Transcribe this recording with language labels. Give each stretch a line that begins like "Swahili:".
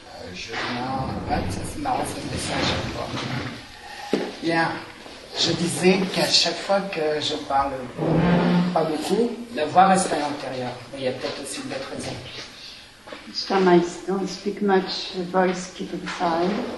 English: I should know what is now from the session for. Yeah.
French: Je disais qu'à chaque fois que je parle pas beaucoup, la voix reste à l'intérieur. Mais il y a peut-être aussi d'autres raisons.
English: Each time I don't speak much, the voice keeps inside.